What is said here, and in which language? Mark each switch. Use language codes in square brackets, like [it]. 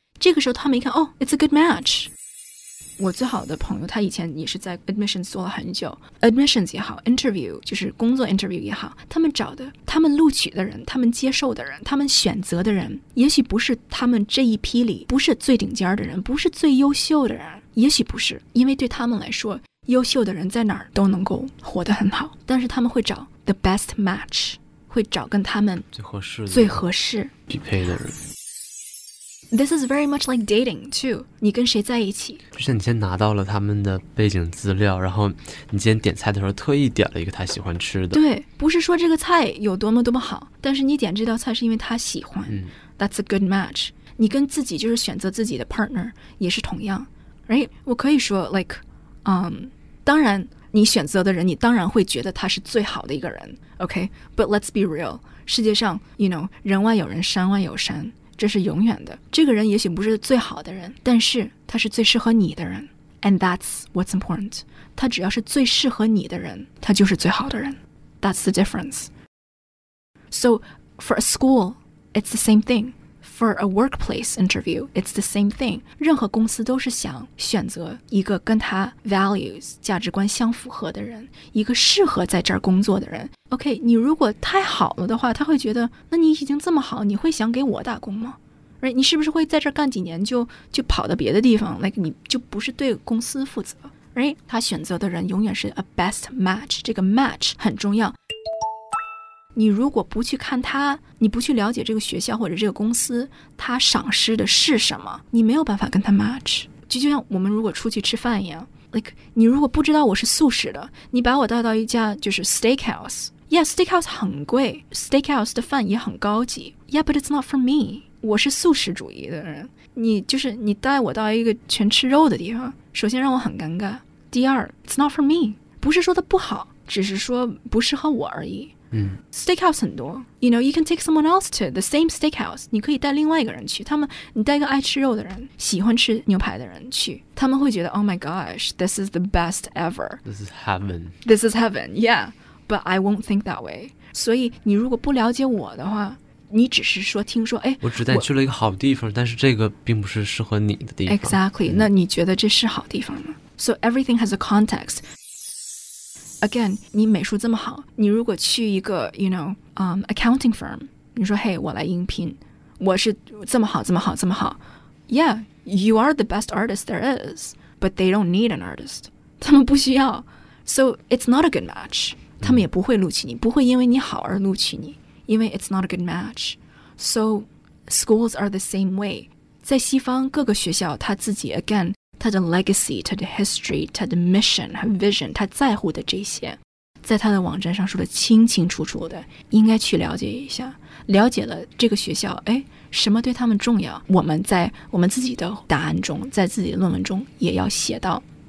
[zh] 这个时候他们一看，哦， [en] it's a good match。 [zh] 我最好的朋友，他以前也是在 admissions 做了很久， admissions 也好， interview 就是工作 interview 也好，他们找的，他们录取的人，他们接受的人，他们选择的人，也许不是他们这一批里不是最顶尖的人，不是最优秀的人，也许不是，因为对他们来说，优秀的人在哪儿都能够活得很好，但是他们会找 [en] the best match， [zh] 会找跟他们最合适最合适匹配的人。 [en] This is very much like dating too. [zh] 你跟谁在一起？就像你先拿到了他们的背景资料，然后你今天点菜的时候特意点了一个他喜欢吃的。对，不是说这个菜有多么多么好，但是你点这道菜是因为他喜欢。嗯、 [en] That's a good match. [zh] 你跟自己就是选择自己的 partner 也是同样 ， [en] right? [zh] 我可以说 like， 当然你选择的人，你当然会觉得他是最好的一个人。 [en] Okay, but let's be real. [zh] 世界上 ， [en] you know， [zh] 人外有人，山外有山。这是永远的。这个人也许不是最好的人，但是他是最适合你的人。 [en] And that's what's important. [zh] 他只要是最适合你的人，他就是最好的人。 [en] That's the difference. So for a school, it's the same thing. For a workplace interview, it's the same thing. [zh] 任何公司都是想选择一个跟他 values, 价值观相符合的人，一个适合在这儿工作的人。 OK, 你如果太好了的话，他会觉得，那你已经这么好，你会想给我打工吗？ Right, 你是不是会在这儿干几年就跑到别的地方， like, 你就不是对公司负责。 [en] Right? [zh] 他选择的人永远是 [en] a best match, [zh] 这个 match 很重要。你如果不去看他，你不去了解这个学校或者这个公司，他赏识的是什么，你没有办法跟他 match。就像我们如果出去吃饭一样。Like, 你如果不知道我是素食的，你把我带到一家就是 steakhouse， yeah， steakhouse 很贵， steakhouse 的饭也很高级， yeah， [en] but it's not for me， [zh] 我是素食主义的人，你就是你带我到一个全吃肉的地方，首先让我很尴尬，第二 [en] it's not for me， [zh] 不是说的不好，只是说不适合我而已。嗯、 steakhouse 很多， you know， [en] you can take someone else to the same steakhouse， [zh] 你可以带另外一个人去，他们，你带一个爱吃肉的人，喜欢吃牛排的人去，他们会觉得 [en] oh my gosh， this is the best ever， this is heaven， this is heaven， yeah， but I won't think that way。 [zh] 所以你如果不了解我的话，你只是说听说，哎，我只带你去了一个好地方，但是这个并不是适合你的地方。 exactly、嗯、那你觉得这是好地方吗？ [en] So everything has a contextAgain, [zh] 你美术这么好，你如果去一个 you know, accounting firm, 你说 hey, 我来应聘，我是这么好这么好这么好。 [en] Yeah, you are the best artist there is, but they don't need an artist. [zh] 他们不需要。 [en] So it's not a good match. [zh] 他们也不会录取你，不会因为你好而录取你，因为 [en] it's not a good match. So schools are the same way. [zh] 在西方各个学校他自己 again,他的 legacy, 他的 history, 他的 mission, 他的 vision, 他在乎的这些。在他的网站上说的清清楚楚的，应该去了解一下，了解了这个学校，哎，什么对他们重要，我们在我们自己的答案中，在自己的论文中也要写到。